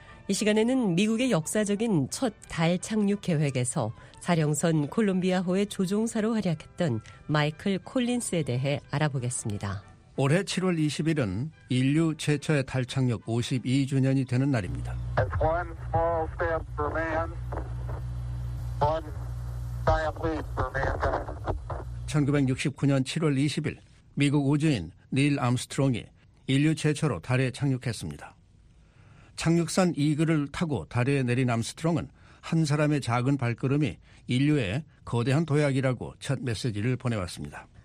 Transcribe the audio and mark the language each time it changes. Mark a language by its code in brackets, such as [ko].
[ko] 이 시간에는 미국의 역사적인 첫 달 착륙 계획에서 사령선 콜롬비아호의 조종사로 활약했던 마이클 콜린스에 대해 알아보겠습니다. 올해 7월 20일은 인류 최초의 달 착륙 52주년이 되는 날입니다. [en] That's one small step for man, one giant leap for mankind. [ko] 1969년 7월 20일 미국 우주인 닐 암스트롱이 인류 최초로 달에 착륙했습니다. 착륙선 이글을 타고 달에 내린 암스트롱은 한 사람의 작은 발걸음이 인류의 거대한 도약이라고 첫 메시지를 보내왔습니다.